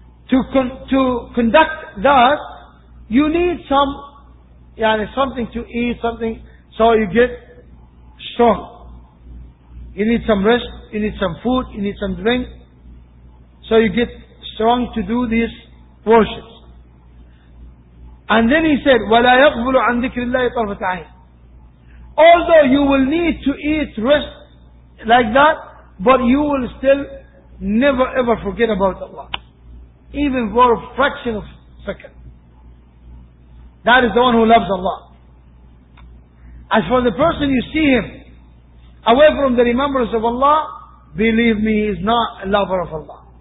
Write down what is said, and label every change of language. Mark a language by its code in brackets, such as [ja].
[en] To conduct that, you need something to eat, something so you get strong. You need some rest, you need some food, you need some drink, so you get strong to do these worships. And then he said, [ar] وَلَا يَقْبُلُ عَنْ ذِكْرِ اللَّهِ طَرْفَ عَيْنٍ. [en] Although you will need to eat, rest like that, but you will still never ever forget about Allah, even for a fraction of a second. That is the one who loves Allah. As for the person, you see him away from the remembrance of Allah, believe me, he is not a lover of Allah.